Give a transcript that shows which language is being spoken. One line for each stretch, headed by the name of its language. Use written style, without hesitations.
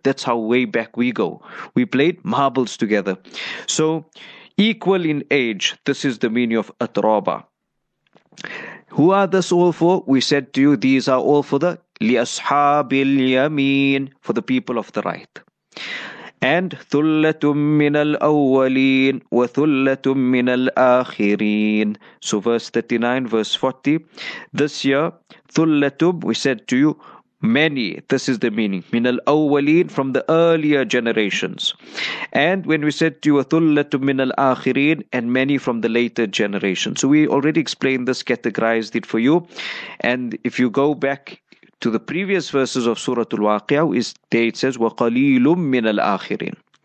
English: That's how way back we go. We played marbles together. So equal in age, this is the meaning of atraba. Who are this all for? We said to you, these are all for the
Arabic: لأصحاب اليمين,
English: for the people of the right.
Arabic: And ثُلَّةٌ مِّنَ الْأَوَّلِينَ وَثُلَّةٌ مِّنَ الْآخِرِينَ.
English: So verse 39, verse 40. This year, ثُلَّةٌ, we said to you, many. This is the meaning.
Arabic: مِّنَ الْأَوَّلِينَ,
English: from the earlier generations. And when we said to you,
Arabic: ثُلَّةٌ مِّنَ الْآخِرِينَ,
English: and many from the later generations. So we already explained this, categorized it for you. And if you go back to the previous verses of Surah Al-Waqiyah, is there it says,
Arabic: وَقَلِيلٌ مِّنَ الْآخِرِينَ.